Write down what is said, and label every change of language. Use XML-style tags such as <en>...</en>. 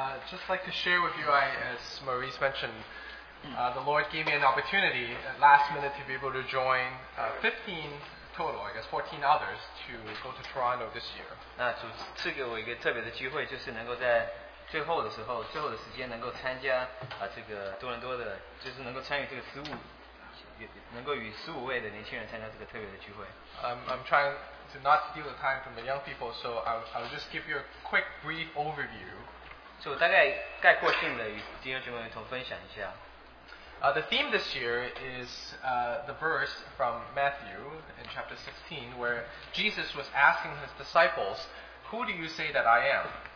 <en>Just like to share with you, I, as Maurice mentioned, the Lord gave me an opportunity at last minute to be able to join 15 total, I guess 14 others, to go to Toronto this year.</en> <zh>那主赐给我一个特别的机会，就是能够在最后的时候，最后的时间能够参加这个多伦多的，就是能够参与这个15，能够与15位的年轻人参加这个特别的聚会。</zh> <en>I'm trying to not steal the time from the young people, so I'll just give you a quick brief overview.</en> <zh>就大概概括性的与弟兄姐妹们同分享一下。</zh> <en>The theme this year is the verse from Matthew in chapter 16, where Jesus was asking his disciples, "Who do you say that I am?"</en>